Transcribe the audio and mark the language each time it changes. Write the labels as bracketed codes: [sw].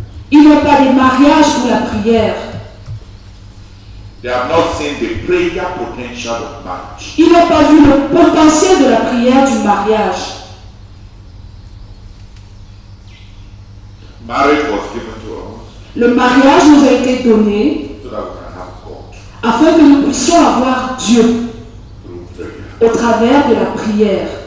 [fr] Ils n'ont pas de mariage pour la prière. [en] They have not seen the prayer potential of marriage. [fr] Ils n'ont pas vu le potentiel de la prière du mariage. [en] Marriage was given to us. [fr] Le mariage nous a été donné [en] so that we can have God. [fr] Afin que nous puissions avoir Dieu au travers de la prière.